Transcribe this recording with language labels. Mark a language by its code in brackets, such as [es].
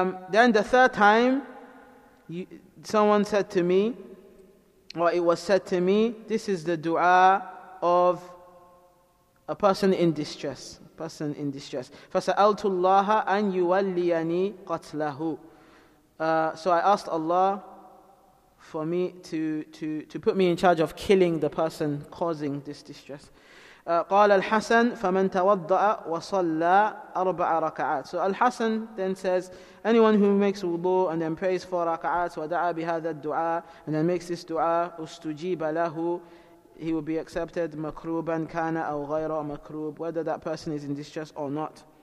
[en] Then the third time, someone said to me, or it was said to me, this is the dua of a person in distress. [ar] فَسَأَلْتُ اللَّهَ أَنْ يُوَلِّيَنِي قَتْلَهُ. [en] So I asked Allah for me to put me in charge of killing the person causing this distress. [ar] قال الحسن فمن توضأ وصلى أربع ركعات. [en] So Al Hasan then says, anyone who makes wudu and then prays four rak'at, [ar] ودعا بهذا الدعاء, [en] and then makes this dua, [ar] استجيب له, [en] he will be accepted, [ar] مكروبا كان أو غير مكروب, [en] whether that person is in distress or not.